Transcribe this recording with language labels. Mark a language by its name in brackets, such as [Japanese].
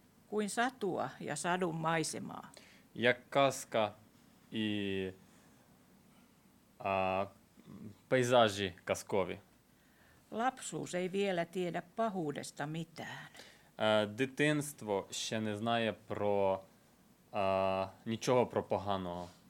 [Finnish] Kuin satua ja sadun maisemaa. [Ukrainian] Як казка і пейзажі казкові. [Finnish] Lapsuus ei vielä tiedä pahuudesta mitään. [Ukrainian] Дитинство ще не знає про нічого про поганого.